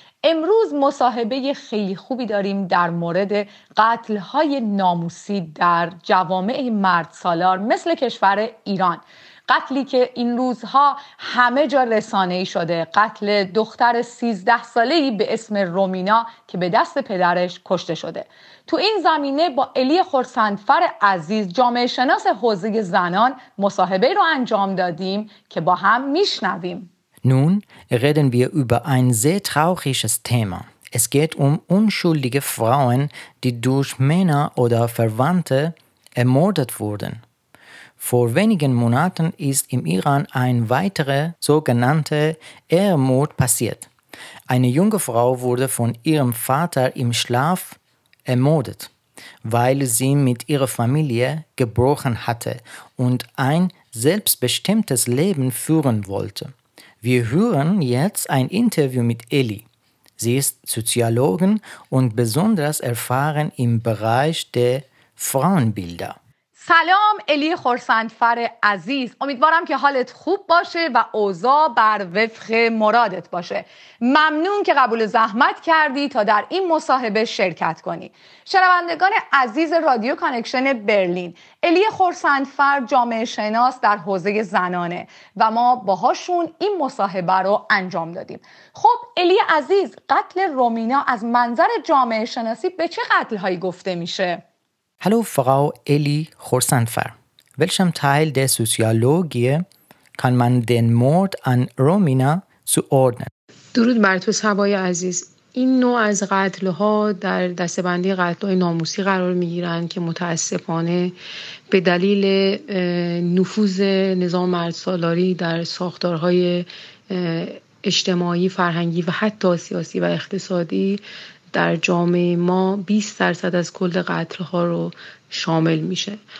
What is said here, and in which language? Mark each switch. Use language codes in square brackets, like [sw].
[fa] امروز مصاحبه خیلی خوبی داریم در مورد قتل‌های ناموسی در جوامع مردسالار مثل کشور ایران، قتلی که این روزها همه جا رسانه‌ای شده، قتل دختر 13 ساله‌ای به اسم رومینا که به دست پدرش کشته شده. تو این زمینه با الی خورسندفر عزیز، جامعه شناس حوزه زنان، مصاحبه رو انجام دادیم که با هم میشنویم. [de] Nun reden wir über ein sehr trauriges Thema. Es geht unschuldige Frauen, die durch Männer oder Verwandte ermordet wurden. Vor wenigen Monaten ist im Iran ein weiterer sogenannter Ehemord passiert. Eine junge Frau wurde von ihrem Vater im Schlaf ermordet, weil sie mit ihrer Familie gebrochen hatte und ein selbstbestimmtes Leben führen wollte. Wir hören jetzt ein Interview mit Eli. Sie ist Soziologin und besonders erfahren im Bereich der Frauenbilder. [fa] سلام الی خورسندفر عزیز، امیدوارم که حالت خوب باشه و اوضاع بر وفق مرادت باشه. ممنون که قبول زحمت کردی تا در این مصاحبه شرکت کنی. شنوندگان عزیز رادیو کانکشن برلین، الی خورسندفر جامعه شناس در حوزه زنانه و ما باهاشون این مصاحبه رو انجام دادیم. خب الی عزیز، قتل رومینا از منظر جامعه شناسی به چه قتلهایی گفته میشه؟ [de] Hallo Frau Eli Khorsandfer. Welchem Teil der Soziologie kann man den Mord an Romina zuordnen? [fa] درود بر تو سبای عزیز. این نوع از قتل‌ها در دسته‌بندی قتل‌های ناموسی قرار می‌گیرند که متأسفانه به دلیل نفوذ نظام مردسالاری در ساختارهای اجتماعی، فرهنگی و حتی سیاسی و اقتصادی در جامعه ما 20% از کل قتل‌ها رو شامل میشه.